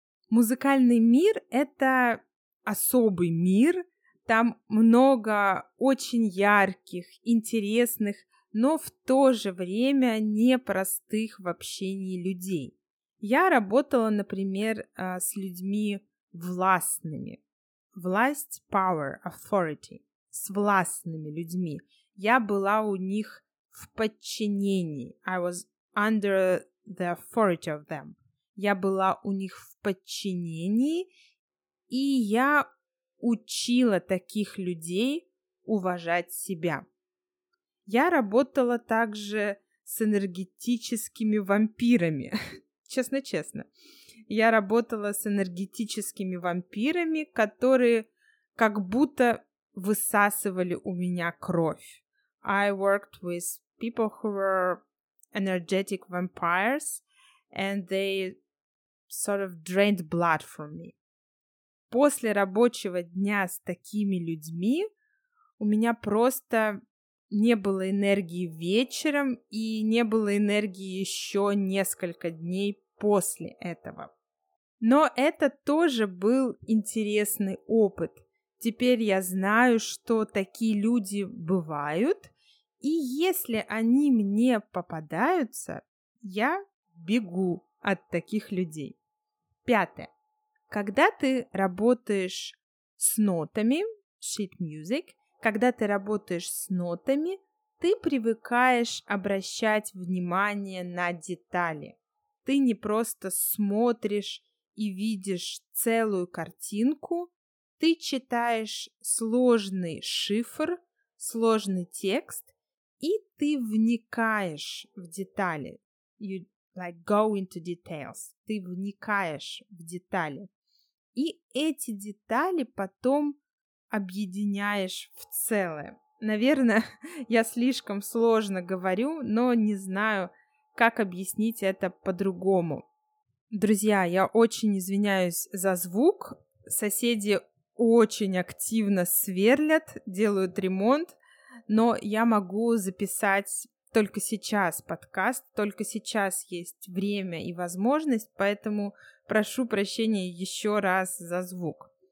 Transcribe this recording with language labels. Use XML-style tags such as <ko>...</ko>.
<ru>Музыкальный мир — это особый мир. Там много очень ярких, интересных, но в то же время непростых в общении людей. Я работала, например, с людьми властными. Власть,</ru> <en>power, authority.</en> <ru>С властными людьми. Я была у них в подчинении.</ru> <en>I was under the authority of them.</en> <ru>Я была у них в подчинении, и я учила таких людей уважать себя. Я работала также с энергетическими вампирами. Честно-честно, я работала с энергетическими вампирами, которые как будто высасывали у меня кровь.</ru> <en>I worked with people who were energetic vampires, and they sort of drained blood from me.</en> <ru>после рабочего дня с такими людьми у меня просто не было энергии вечером и не было энергии еще несколько дней после этого. Но это тоже был интересный опыт. Теперь я знаю, что такие люди бывают, и если они мне попадаются, я бегу от таких людей. Пятое. Когда ты работаешь с нотами, sheet music, когда ты работаешь с нотами, ты привыкаешь обращать внимание на детали. Ты не просто смотришь и видишь целую картинку, ты читаешь сложный шифр, сложный текст, и ты вникаешь в детали.</ru> <en>You like go into details.</en> <ru>Ты вникаешь в детали. И эти детали потом объединяешь в целое. Наверное, я слишком сложно говорю, но не знаю, как объяснить это по-другому. Друзья, я очень извиняюсь за звук. Соседи очень активно сверлят, делают ремонт, но я могу записать только сейчас подкаст, только сейчас есть время и возможность, поэтому прошу прощения еще раз за звук.</ru>